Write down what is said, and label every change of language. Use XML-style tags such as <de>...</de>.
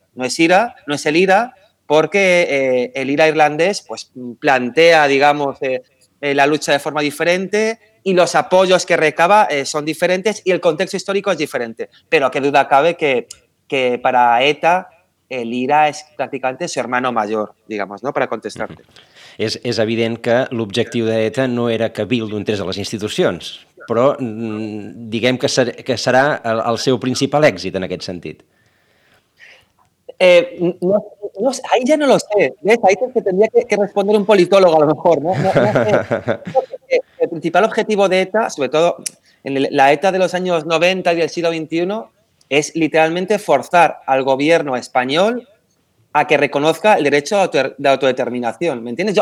<es>No es IRA, no es el IRA, porque el IRA irlandés, pues, plantea, digamos, la lucha de forma diferente, y los apoyos que recaba son diferentes y el contexto histórico es diferente. Pero qué duda cabe que para ETA el IRA es prácticamente su hermano mayor, digamos, ¿no? Para contestarte.</es> <ca>És evident que l'objectiu d'ETA no era que Bildu entrés a les institucions, però diguem que serà el seu principal èxit en aquest sentit.</ca> <es>No, ahí ya no lo sé, ¿ves? Ahí es que tendría que responder un politólogo a lo mejor, ¿no? El principal objetivo de ETA, sobre todo en la ETA de los años 90 y del siglo XXI, es literalmente forzar al gobierno español a que reconozca el derecho de autodeterminación, ¿me entiendes?</es>